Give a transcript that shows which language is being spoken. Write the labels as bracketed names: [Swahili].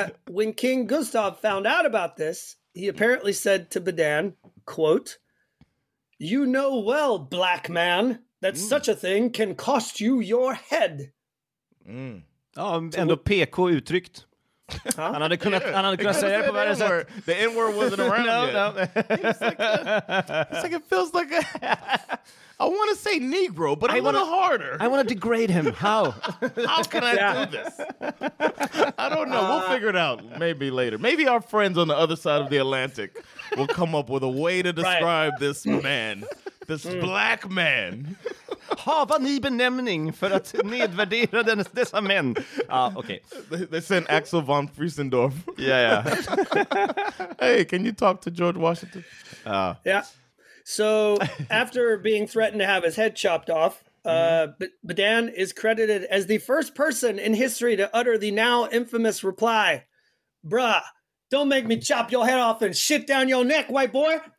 [English] When King Gustav found out about this, he apparently said to Badan, quote, "You know well, black man, that such a thing can cost you your head." [Swedish] Ändå PK uttryckt. Huh? Han hade kunnat säga det på världens sätt. [English] The N-word wasn't around yet. It feels like a... I want to say Negro, but I want to harder. I want to degrade him. How? How can I do this? I don't know. We'll figure it out maybe later. Maybe our friends on the other side of the Atlantic will come up with a way to describe this man, this black man. [Swedish] Hava ni benämning för att nedvärdera dessa män? [English] Ah, okay. They sent Axel von Friesendorf. Yeah. Hey, can you talk to George Washington? Yeah. So after being threatened to have his head chopped off, Badan is credited as the first person in history to utter the now infamous reply, "Bruh, don't make me chop your head off and shit down your neck, white boy."